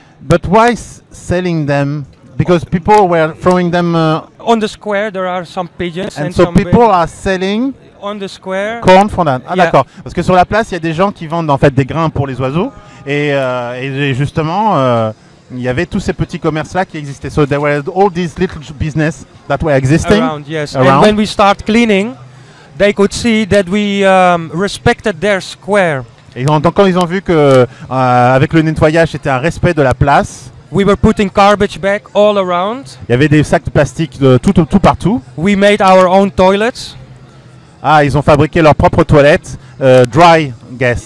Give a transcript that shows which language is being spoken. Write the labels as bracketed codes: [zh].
[en] But why selling them? Because people were throwing them on the square. There are some pigeons. And so people are selling on the square corn for that. Yeah. D'accord. [fr] Parce que sur la place, il y a des gens qui vendent en fait des grains pour les oiseaux. Et justement, il y avait tous ces petits commerces là qui existaient. [en] So there were all these little business that were existing around. Yes. Around. And when we start cleaning, they could see that we respected their square. [fr] Et donc quand ils ont vu que avec le nettoyage c'était un respect de la place. [en] We were putting garbage back all around. [fr] Il y avait des sacs de plastique de tout partout. [en] We made our own toilets. [fr] Ah, ils ont fabriqué leurs propres toilettes, dry, guess,